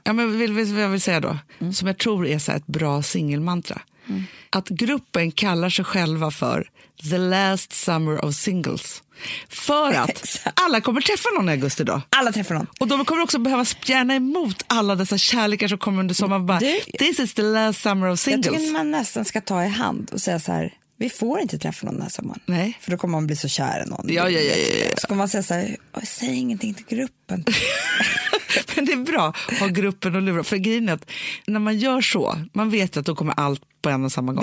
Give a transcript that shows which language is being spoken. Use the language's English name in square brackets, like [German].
[Swedish] Ja, men vill säga då, som jag tror är så här ett bra singelmantra. Att gruppen kallar sig själva för The Last Summer of Singles. För att alla kommer träffa någon i augusti då. Alla träffar någon. Och de kommer också behöva spjärna emot alla dessa kärlekar som kommer under sommaren. [English] Bara, this is the last summer of singles. [Swedish] Jag tycker man nästan ska ta i hand och säga så här, vi får inte träffa någon den här sommaren. Nej. För då kommer man bli så kär i någon. Ja. Ska man säga så här, säg ingenting till gruppen. Men det är bra att ha gruppen och lura. För grejen är att när man gör så, man vet att då kommer allt på en och samma gång.